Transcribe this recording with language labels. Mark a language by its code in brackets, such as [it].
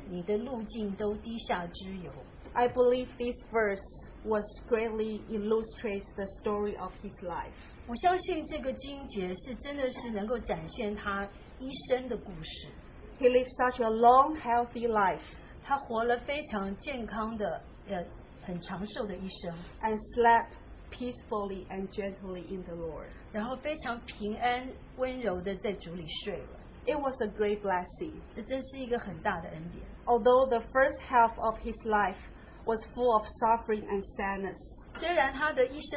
[zh] 你以恩典为年岁的冠冕，你的路径都滴下脂油。 [en] I believe this verse was greatly illustrates the story of his life. [zh] 我相信这个经节是真的是能够展现他一生的故事。 [en] He lived such a long, healthy life. [zh] 他活了非常健康的，很长寿的一生。 [en] And slept peacefully and gently in the Lord. [zh] 然后非常平安温柔的在主里睡了。 [en] It was a great blessing. [zh] 这真是一个很大的恩典。 [en] Although the first half of his life was full of suffering and sadness,